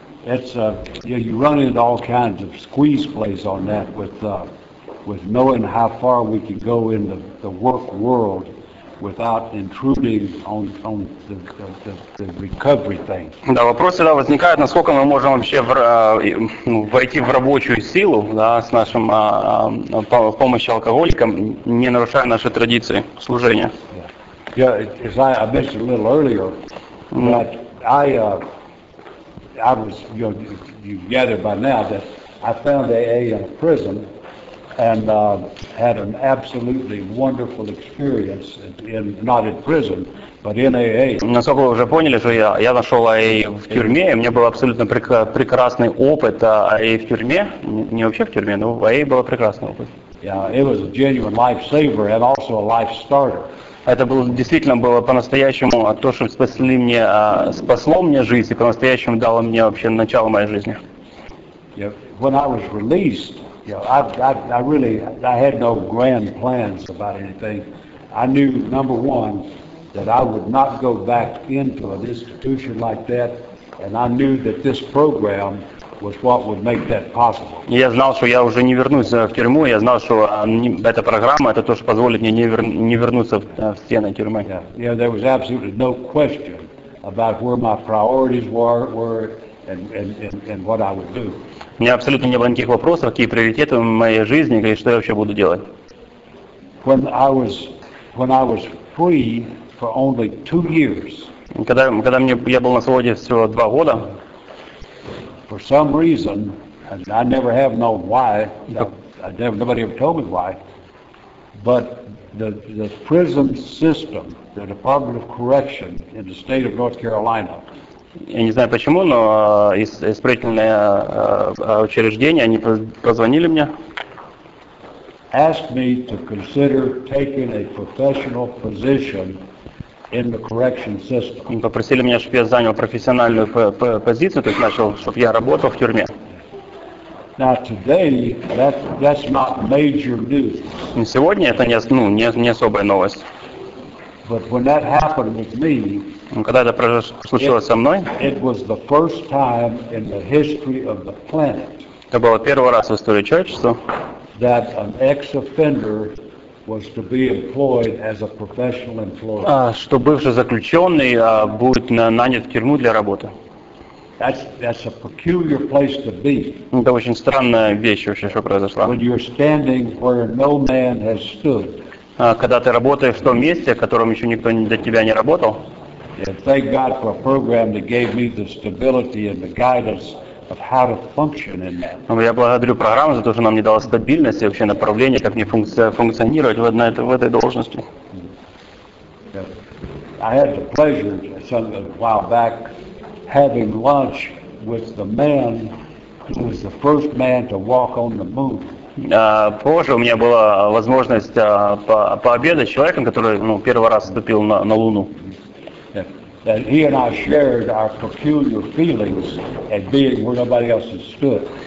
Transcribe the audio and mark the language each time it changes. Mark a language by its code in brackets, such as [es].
[en] It's, you run into all kinds of squeeze plays on that with knowing how far we can go in the work world without intruding on the recovery thing. [ru] Да, вопрос всегда возникает, насколько мы можем вообще войти в рабочую силу, да, с нашим помощью алкоголикам, не нарушая наши традиции служения. [en] Yeah, as I mentioned a little earlier, that I was, you gather by now that I found AA in a prison. And had an absolutely wonderful experience in not in prison, but in AA. [ru] Насколько вы уже поняли, что я нашел AA в тюрьме, и у меня был абсолютно прекрасный опыт AA в тюрьме, не вообще в тюрьме, но в AA был прекрасный опыт. [en] Yeah, it was a genuine life saver and also a life starter. [ru] Это было действительно было по-настоящему то, что спасли мне, спасло мне жизнь и по-настоящему дало мне вообще начало моей жизни. [en] Yeah, when I was released. Yeah, I had no grand plans about anything. I knew, number one, that I would not go back into an institution like that, and I knew that this program was what would make that possible. [ru] Я знал, что я уже не вернусь в тюрьму. Я знал, что эта программа это то, что позволит мне не вернуться в стены тюрьмы. [en] Yeah, there was absolutely no question about where my priorities were and what I would do. [ru] У меня абсолютно не было никаких вопросов, какие приоритеты в моей жизни, и что я вообще буду делать. Когда я был на свободе всего 2 года, [en] for some reason, and I never have known why, nobody ever told me why, but the prison system, the Department of Correction in the state of North Carolina. [ru] Я не знаю почему, но исправительное учреждение, они позвонили мне. [en] Asked me to consider taking a professional position in the correction system. [ru] Они попросили меня, чтобы я занял профессиональную позицию, то есть начал, чтобы я работал в тюрьме. [en] Now today, that's not major news. [ru] Сегодня это не особая новость. [en] But when that happened with me, [ru] когда это случилось со мной, [en] it was the first time in the history of the planet, [ru] это было первый раз в истории человечества, [en] that an ex-offender was to be employed as a professional employee. [ru] Что бывший заключенный будет нанят в тюрьму для работы. [en] That's a peculiar place to be. [ru] Это очень странная вещь вообще, что произошла. [en] When you're standing where no man has stood. [ru] Когда ты работаешь в том месте, в котором еще никто до тебя не работал. Я благодарю программу за то, что она мне дала стабильность и вообще направление, как мне функционировать в этой должности. [en] I had the pleasure some while back having lunch with the man who was the first man to walk on the moon. [ru] Позже у меня была возможность пообедать с человеком, который первый раз ступил на Луну. [en] And he and I shared our peculiar feelings at being where nobody else had stood.